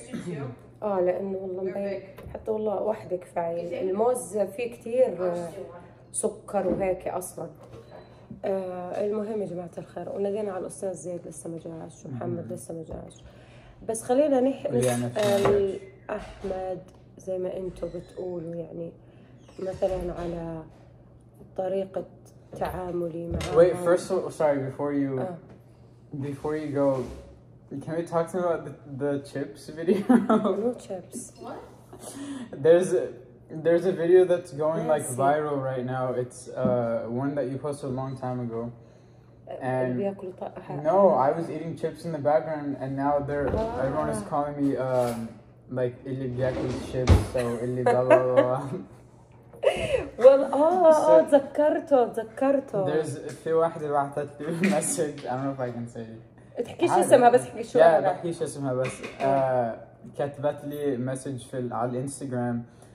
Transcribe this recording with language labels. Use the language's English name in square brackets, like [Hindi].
[Arabic] تيجي لانه والله حتى والله وحده كفايه الموز فيه كثير سكر وهيك اصلا المهم يا جماعة الخير ونادينا على الأستاذ زيد لسه ما جاش ومحمد لسه ما جاش بس خلينا نسأل أحمد زي ما أنتوا بتقولوا يعني مثلاً على طريقة تعاملي مع [English] wait first of all, sorry before you go can we talk to me about the chips video no chips There's a video that's going like viral right now. It's one that you posted a long time ago. And no, I was eating chips in the background, and now everyone is calling me like Illy Biakul chips. So Illy blah blah blah. [Arabic] Well, ذكرته. [English] There's [Arabic] في واحدة بعثت لي message. [English] I don't know if I can say it. [Arabic] تحكيش اسمها بس حكي شو. [English] Yeah, [Arabic] كتبت لي message في على الانستغرام.